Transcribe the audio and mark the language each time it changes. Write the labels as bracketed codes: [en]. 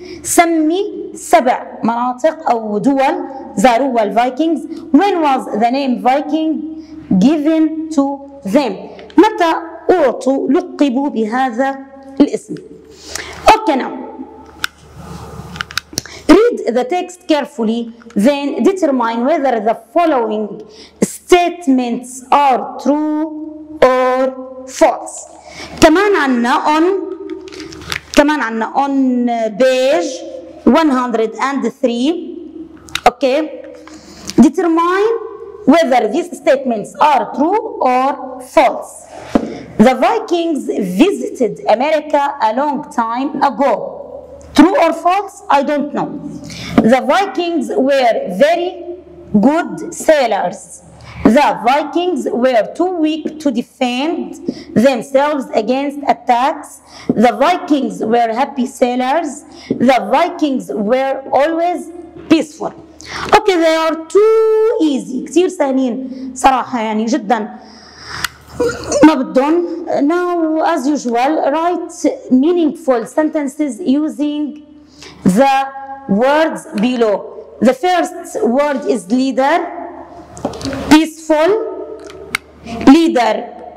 [ar] سمي 7 مناطق أو دول زاروها الفايكينجز. [en] When was the name Viking given to them? [ar] متى أعطوا لقبوا بهذا الاسم؟ [en] Okay now. Read the text carefully, then determine whether the following statements are true or false. [ar] كمان عنا [en] on page 103. Okay. Determine whether these statements are true or false. The Vikings visited America a long time ago. True or false? I don't know. The Vikings were very good sailors. The Vikings were too weak to defend themselves against attacks. The Vikings were happy sailors. The Vikings were always peaceful. Okay, they are too easy. [ar] كثير سهلين صراحة يعني جدا. ما بدهم. [en] Now, as usual, write meaningful sentences using the words below. The first word is leader. faithful leader.